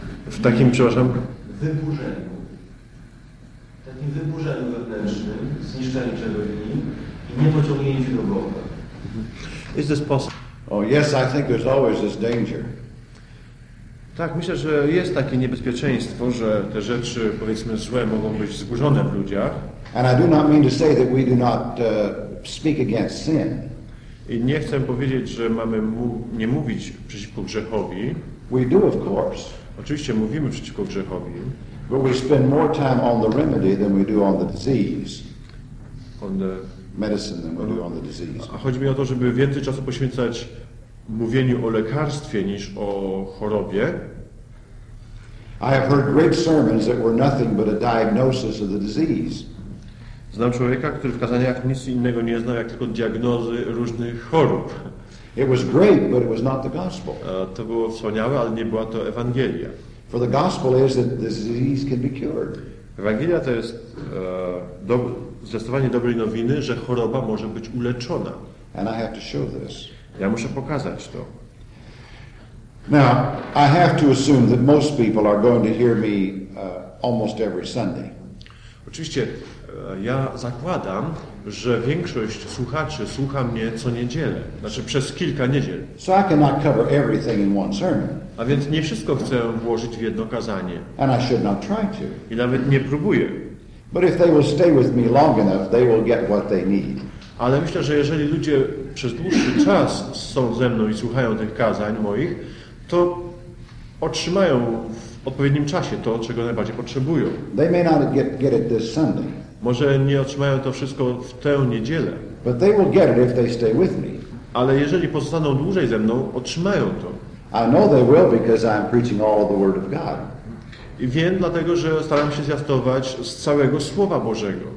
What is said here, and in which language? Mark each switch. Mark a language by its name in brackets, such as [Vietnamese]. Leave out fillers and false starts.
[Polish] W takim, przepraszam? Wyburzeniu. Takim wyburzeniu wewnętrznym, zniszczeniu czerwieni i niepociągnięciu do Boga. [English] Is this possible? Oh yes, I think there's always this danger. [Polish] Tak, myślę, że jest takie niebezpieczeństwo, że te rzeczy, powiedzmy, złe mogą być zburzone w ludziach. [English] And I do not mean to say that we do not speak against sin. [Polish] I nie chcę powiedzieć, że mamy nie mówić przeciwko grzechowi. [English] We do, of course. [Polish] Oczywiście mówimy przeciwko grzechowi. [English] But we spend more time on the remedy than we do on the disease. On the medicine than we do on the disease. [Polish] A chodzi mi o to, żeby więcej czasu poświęcać mówieniu o lekarstwie niż o chorobie. [English] I have heard great sermons that were nothing but a diagnosis of the disease. [Polish] Znam człowieka, który w kazaniach nic innego nie znał, jak tylko diagnozy różnych chorób. [English] It was great, but it was not the gospel. [Polish] To było wspaniałe, ale nie była to Ewangelia. [English] For the gospel is that the disease can be cured. [Polish] Ewangelia to jest zwiastowanie dobrej nowiny, że choroba może być uleczona. [English] And I have to show this. [Polish] Ja muszę pokazać to. [English] Now, I have to assume that most people are going to hear me almost every Sunday. [Polish] Oczywiście, ja zakładam, że większość słuchaczy słucha mnie co niedzielę, znaczy przez kilka niedziel. [English] So I cannot cover everything in one sermon. [Polish] A więc nie wszystko chcę włożyć w jedno kazanie. [English] And I should not try to. [Polish] I nawet nie próbuję. [English] But if they will stay with me long enough, they will get what they need. [Polish] Ale myślę, że jeżeli ludzie przez dłuższy czas są ze mną i słuchają tych kazań moich, to otrzymają w odpowiednim czasie to, czego najbardziej potrzebują. [English] They may not get it this Sunday. [Polish] Może nie otrzymają to wszystko w tę niedzielę. [English] But they will get it if they stay with me. [Polish] Ale jeżeli pozostaną dłużej ze mną, otrzymają to. [English] I know they will because I'm preaching all the word of God. [Polish] I wiem dlatego, że staram się zwiastować z całego Słowa Bożego.